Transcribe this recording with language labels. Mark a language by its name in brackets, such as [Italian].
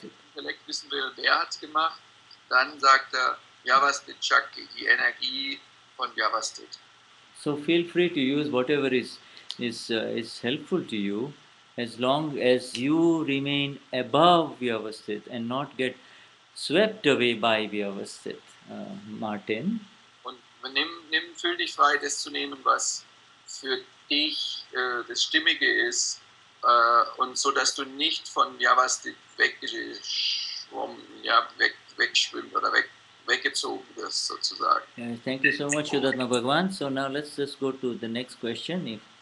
[German] Wenn der Intellekt wissen will, wer hat's gemacht, dann sagt Vyavasthit Shakti, die Energie von Vyavasthit. [English] So feel free to use whatever is helpful to you, as long as you remain above Vyavasthit and not get swept away by Vyavasthit. Martin? [German] Und fühl dich frei, das zu nehmen, was für dich das Stimmige ist, und so, dass du nicht von Vyavasthit wegschwimmst oder weggezogen wirst, sozusagen. [English] Yeah, thank you so much, Sudharma Bhagwan. So now let's just go to the next question.